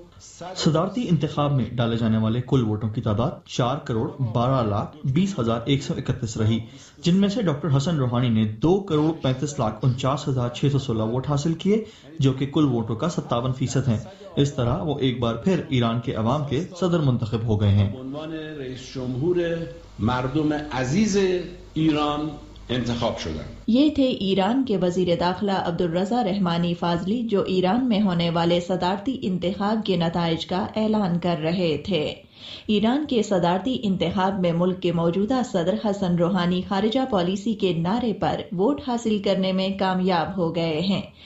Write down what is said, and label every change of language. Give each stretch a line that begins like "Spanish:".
Urdu: صدارتی انتخاب میں ڈالے جانے والے کل ووٹوں کی تعداد 4,12,20,131 رہی, جن میں سے ڈاکٹر حسن روحانی نے 2,35,49,616 ووٹ حاصل کیے, جو کہ کل ووٹوں کا 57% ہیں. اس طرح وہ ایک بار پھر ایران کے عوام کے صدر منتخب ہو گئے ہیں.
Persian: عنوان رئیس جمہور مردم عزیز ایران انتخاب شدن.
Urdu: یہ تھے ایران کے وزیر داخلہ عبدالرضا رحمانی فاضلی, جو ایران میں ہونے والے صدارتی انتخاب کے نتائج کا اعلان کر رہے تھے. ایران کے صدارتی انتخاب میں ملک کے موجودہ صدر حسن روحانی خارجہ پالیسی کے نعرے پر ووٹ حاصل کرنے میں کامیاب ہو گئے ہیں.